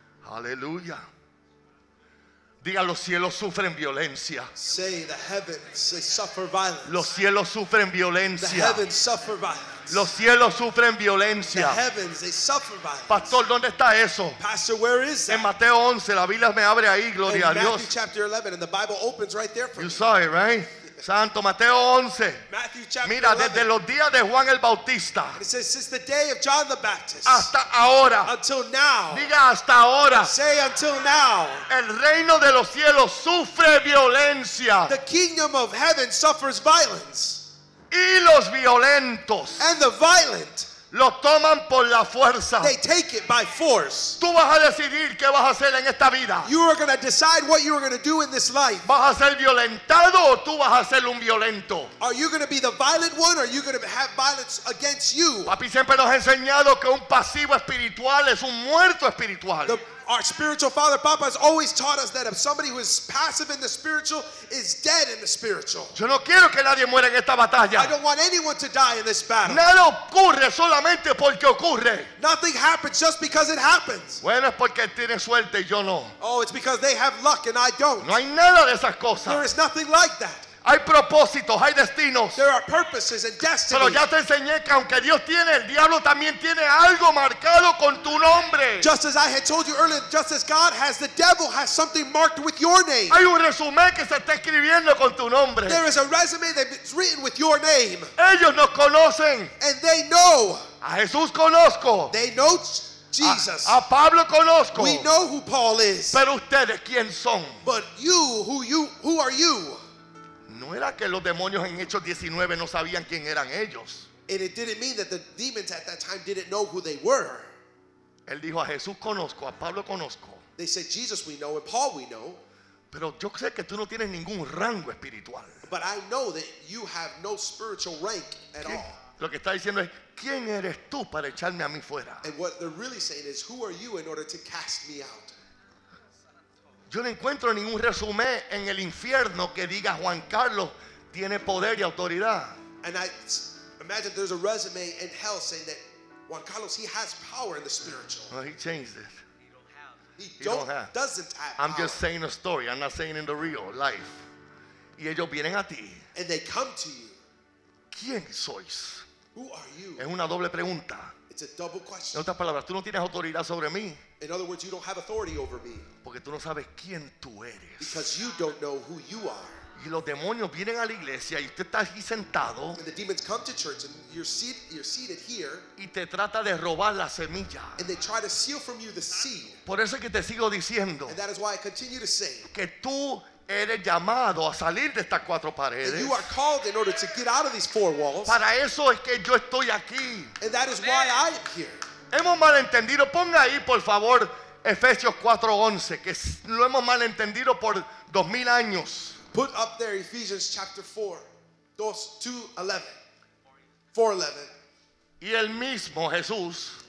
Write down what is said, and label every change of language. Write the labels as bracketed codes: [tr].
[es] Aleluya. Diga, los cielos sufren violencia. [en] Say, the heavens, they suffer violence. [es] Los cielos sufren violencia. [en] The heavens suffer violence. [es] Los cielos sufren violencia. [en] The heavens, they suffer violence. [es] Pastor, ¿dónde está eso? [en] Pastor, where is that? [es] En Mateo 11, la Biblia me abre ahí, gloria [en] in [es] a Dios. [en] Matthew chapter 11, and the Bible opens right there for you me. Saw it, right? [es] Santo, Mateo 11. [en] Matthew chapter [es] mira, desde [en] 11, [es] los días de Juan el Bautista. [en] It says, since the day of John the Baptist. [es] Hasta ahora. [en] Until now. [es] Diga hasta ahora. [en] Say until now. [es] El reino de los cielos sufre violencia. [en] The kingdom of heaven suffers violence. [es] Y los violentos. [en] And the violent. [es] Lo toman por la fuerza. [en] They take it by force. [es] Tú vas a decidir qué vas a hacer en esta vida. [en] You are going to decide what you are going to do in this life. [es] ¿Vas a ser violentado o tú vas a ser un violento? [en] Are you going to be the violent one or are you going to have violence against you? [es] Papi siempre nos ha enseñado que un pasivo espiritual es un muerto espiritual. [en] Our spiritual father, Papa, has always taught us that if somebody who is passive in the spiritual is dead in the spiritual. [es] Yo no quiero que nadie muera en esta batalla. [en] I don't want anyone to die in this battle. [es] Nada ocurre solamente porque ocurre. [en] Nothing happens just because it happens. [es] Bueno, es porque tiene suerte y yo no. [en] Oh, it's because they have luck and I don't. [es] No hay nada de esas cosas. [en] There is nothing like that. [es] Hay propósitos, hay destinos. [en] There are purposes and destinies. [es] Pero ya te enseñé que aunque Dios tiene, el diablo también tiene algo marcado con tu nombre. [en] Just as I had told you earlier, just as God has, the devil has something marked with your name. [es] Hay un resumen que se está escribiendo con tu nombre. [en] There is a resume that's written with your name. [es] Ellos nos conocen. [en] And they know. [es] A Jesús conozco. [en] They know Jesus. [es] A Pablo conozco. [en] We know who Paul is. [es] Pero ustedes, ¿quién son? [en] But you, who are you? [es] No era que los demonios en Hechos 19 no sabían quién eran ellos. [en] And it didn't mean that the demons at that time didn't know who they were. [es] Él dijo, a Jesús conozco, a Pablo conozco. [en] They said, Jesus we know and Paul we know. [es] Pero yo sé que tú no tienes ningún rango espiritual. [en] But I know that you have no spiritual rank at all. [es] Lo que está diciendo es, ¿quién eres tú para echarme a mí fuera? [en] And what they're really saying is, who are you in order to cast me out? [es] Yo no encuentro ningún resumen en el infierno que diga Juan Carlos tiene poder y autoridad. [en] And I imagine there's a resume in hell saying that Juan Carlos, he has power in the spiritual. Well, he changed it. He doesn't have I'm just saying a story. I'm not saying in the real life. [es] Y ellos vienen a ti. [en] And they come to you. [es] ¿Quién sois? [en] Who are you? [es] Es una doble pregunta. [en] It's a double question. [es] En otras palabras, tú no tienes autoridad sobre mí. [en] In other words, you don't have authority over me. [es] Porque tú no sabes quién tú eres. [en] Because you don't know who you are. [es] Y los demonios vienen a la iglesia y usted está aquí sentado. [en] And the demons come to church and you're seated here. [es] Y te trata de robar la semilla. [en] And they try to steal from you the seed. [es] Por eso es que te sigo diciendo. [en] And that is why I continue to say. [es] Que tú eres llamado a salir de estas cuatro paredes. [en] And you are called in order to get out of these four walls. [es] Para eso es que yo estoy aquí. [en] And that is why I am here. [es] Hemos malentendido, ponga ahí por favor Efesios 4:11, que lo hemos malentendido por 2000 años. [en] Put up there Ephesians chapter 4:11. [es] Y el mismo Jesús,